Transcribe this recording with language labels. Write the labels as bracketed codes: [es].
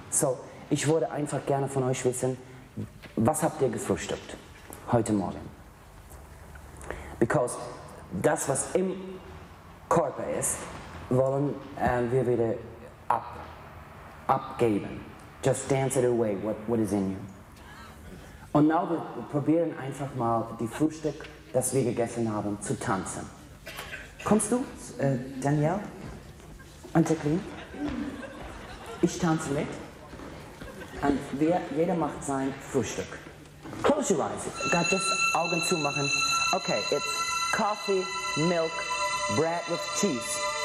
[de] So, ich würde einfach gerne von euch wissen, was habt ihr gefrühstückt heute Morgen? [en] Because [de] das, was im Körper ist, wollen wir wieder abgeben. [en] Just dance it away, what is in you. [de] Und [en] now [de] wir probieren einfach mal, die Frühstück, das wir gegessen haben, zu tanzen. Kommst du, Danielle? Und Jacqueline? Ich tanze mit. Und jeder macht sein Frühstück. [en] Close your eyes. Just [de] Augen zumachen. [en] Okay, it's coffee, milk, bread with cheese.